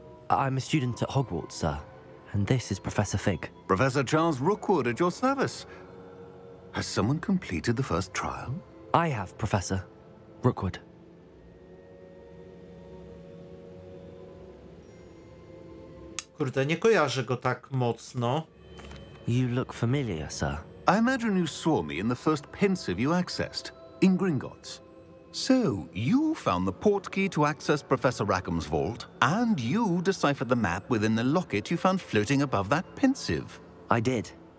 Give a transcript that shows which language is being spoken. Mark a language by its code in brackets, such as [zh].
[en] I'm a student at Hogwarts, sir, and this is Professor Fig. Professor Charles Rookwood at your service. Has someone completed the first trial? I have, Professor Rookwood. [pl] Kurde, nie kojarzę go tak mocno. [en] You look familiar, sir. I imagine you saw me in the first pensive you accessed, in Gringotts. So, you found the portkey to access Professor Rackham's vault, and you deciphered the map within the locket you found floating above that pensive. I did.